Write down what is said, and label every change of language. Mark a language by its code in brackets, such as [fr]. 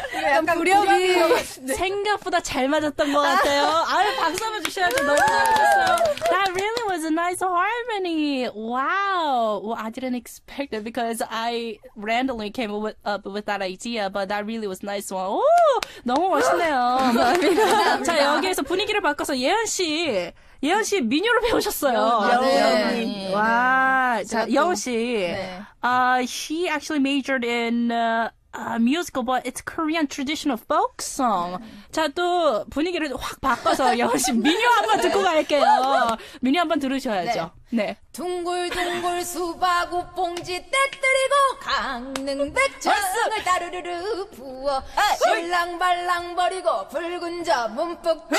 [ko] 약간 부려맞은 것 같은데. 생각보다 잘 맞았던 것 같아요. 아유, 박수 한번 주셔야죠. 너무 잘하셨어요. [en] That really was a nice harmony. Wow. Well, I didn't expect it because I randomly came up with that idea, but that really was a nice one. [ko] 오, 너무 멋있네요. 감사합니다. 자, 여기에서 분위기를 바꿔서 예은씨. 예은 씨 민요를 배우셨어요. 맞아요. 네. 와, 자, 영 씨. 네. [en] He actually majored in musical, but it's Korean traditional folk song. [ko] 자, 또 분위기를 확 바꿔서 영 씨 민요 한번 듣고 갈게요. 민요 한번 들으셔야죠. 네. 네. 둥글둥글 수박 우봉지 떼뜨리고 강릉백천을 따르르르 부어 신랑발랑 버리고 붉은 저 문득